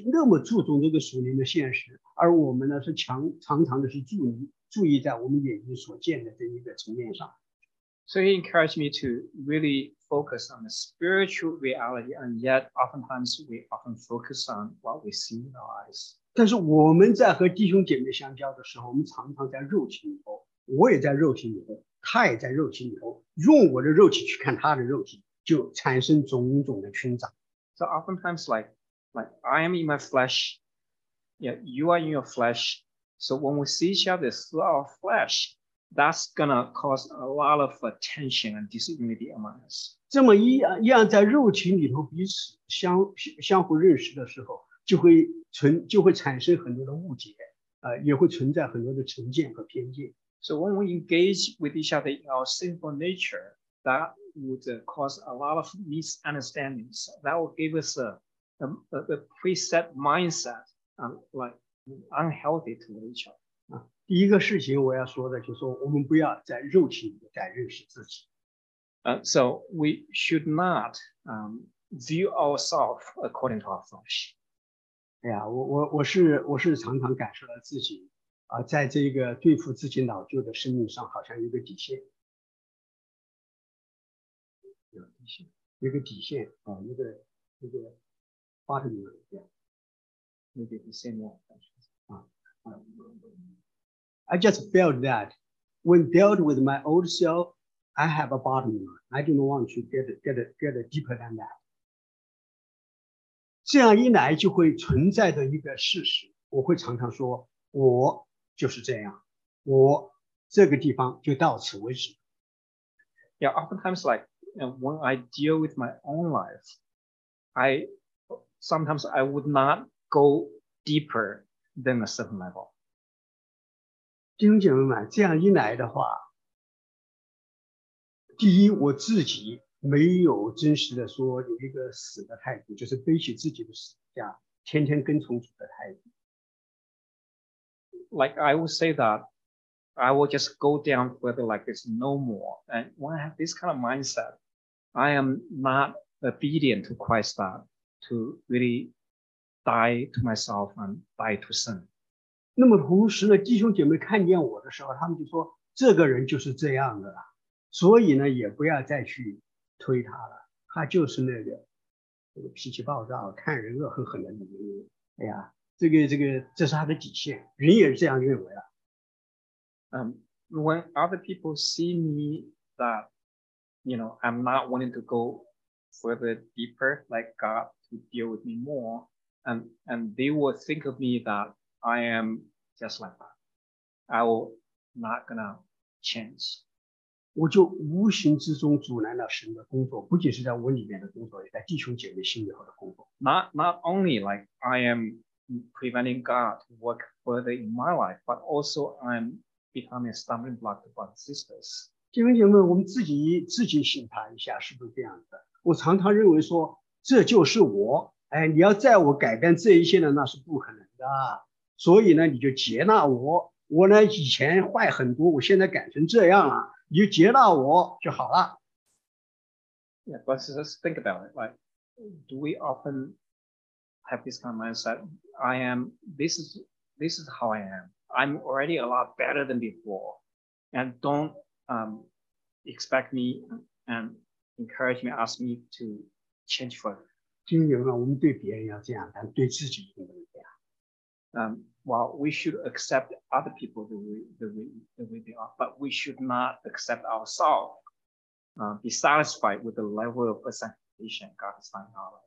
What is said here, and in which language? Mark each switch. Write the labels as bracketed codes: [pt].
[zh] 哎呀，特别的怎么说呢？他怎么就那么注重这个属灵的现实，而我们呢是常常的是注意在我们眼睛所见的这一个层面上。 [en] So he encouraged me to really focus on the spiritual reality, and yet oftentimes we often focus on what we see with our eyes. [zh] 但是我们在和弟兄姐妹相交的时候，我们常常在肉体里头，我也在肉体里头，他也在肉体里头，用我的肉体去看他的肉体，就产生种种的群长。 [en] So oftentimes like I am in my flesh, yeah, you are in your flesh. So when we see each other through our flesh, that's gonna cause a lot of tension and disunity among us. [zh] 这么一样在肉体里头彼此相互认识的时候，就会产生很多的误解，也会存在很多的成见和偏见。 [en] So when we engage with each other in our sinful nature, that would cause a lot of misunderstandings. That will give us a preset mindset, like unhealthy to each other. [zh] 第一个事情我要说的就是说，我们不要在肉体里再认识自己。 [en] So we should not view ourselves according to our flesh. [zh] 哎呀，我是常常感受到自己在这个对付自己老旧的生命上好像有个底线。有个底线啊，那个 [en] bottom line, [zh] 那个底线呢 [en] 啊。I just felt that when dealt with my old self, I have a bottom line. I don't want to get deeper than that. [zh] 这样一来就会存在的一个事实，我会常常说，我就是这样，我这个地方就到此为止。 [en] Yeah, oftentimes like, you know, when I deal with my own life, I sometimes would not go deeper than a certain level. [zh] 弟兄姐妹们，这样一来的话，第一，我自己没有真实的说有一个死的态度，就是背起自己的十字架，天天跟从主的态度。 [en] Like I would say that I will just go down further, like it's no more. And when I have this kind of mindset, I am not obedient to Christ, that to really die to myself and die to sin. [zh] 那么同时呢，弟兄姐妹看见我的时候，他们就说这个人就是这样的了，所以呢，也不要再去。推他了，他就是那个脾气暴躁、看人恶狠狠的女人。哎呀，这个，这是他的底线，人也是这样认为啊。 [en] When other people see me that, you know, I'm not wanting to go further deeper, like God to deal with me more, and they will think of me that I am just like that. I will not gonna change. [zh] 我就无形之中阻拦了神的工作，不仅是在我里面的工作，也在弟兄姐妹心里头的工作。 [en] Not only like I am preventing God to work further in my life, but also I'm becoming a stumbling block to brothers and sisters. [zh] 弟兄姐妹，我们自己醒察一下，是不是这样的？我常常认为说这就是我，哎，你要在我改变这一切呢，那是不可能的。所以呢，你就接纳我。我呢，以前坏很多，我现在改成这样了。 [en] You [zh] 接纳我就好了。 [en] Yeah, but just think about it. Like, do we often have this kind of mindset? This is how I am. I'm already a lot better than before. And don't expect me and encourage me, ask me to change further. [zh] 经由呢，我们对别人要这样，但对自己一定不能这样。 [en] Well, we should accept other people the way they are, but we should not accept ourselves. Be satisfied with the level of sanctification God has done in our life.